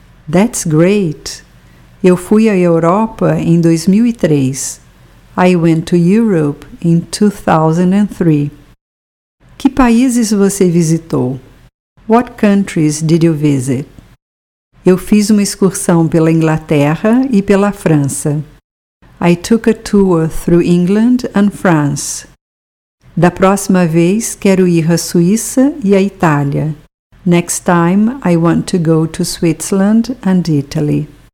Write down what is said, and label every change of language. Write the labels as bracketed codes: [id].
[en] That's great! [pt] Eu fui à Europa em 2003. [en] I went to Europe in 2003. [pt] Que países você visitou? [en] What countries did you visit? [pt] Eu fiz uma excursão pela Inglaterra e pela França. [en] I took a tour through England and France. [pt] Da próxima vez, quero ir à Suíça e à Itália. [en] Next time, I want to go to Switzerland and Italy.